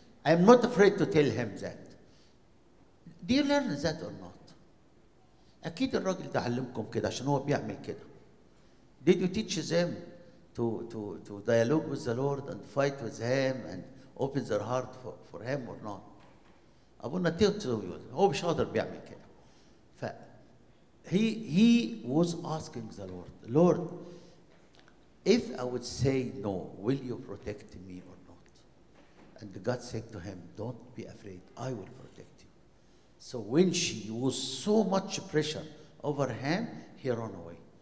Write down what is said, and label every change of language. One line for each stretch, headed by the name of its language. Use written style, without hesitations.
English: I am not afraid to tell him that. Do you learn that or not?
Arabic: أكيد الراجل ده علمكم كده عشان هو بيعمل كده.
English: Did you teach them to dialogue with the Lord and fight with him and open their heart for him or not?
Arabic: أبونا تيو تيو هو مش قادر بيعمل كده.
English: He was asking the Lord, Lord, if I would say no, will you protect me or not? And God said to him, don't be afraid, I will protect you. So when she was so much pressure over him, he ran away.